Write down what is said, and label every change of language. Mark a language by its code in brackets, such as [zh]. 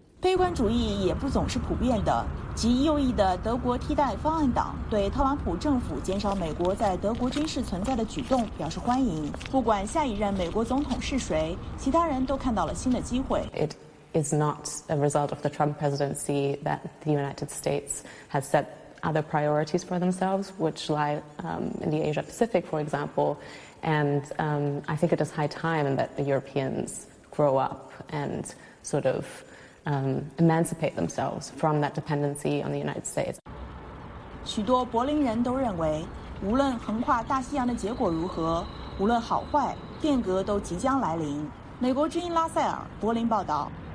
[zh] 悲观主义也不总是普遍的，极右翼的德国替代方案党对特朗普政府减少美国在德国军事存在的举动表示欢迎。不管下一任美国总统是谁，其他人都看到了新的机会。 [en] It is not a result of the Trump presidency that the United States has set other priorities for themselves, which lie in the Asia Pacific, for example. And I think it is high time that the Europeans grow up and sort of. Emancipate themselves from that dependency on the United States. [zh] 许多柏林人都认为，无论横跨大西洋的结果如何，无论好坏，变革都即将来临。美国之音拉塞尔，柏林报道。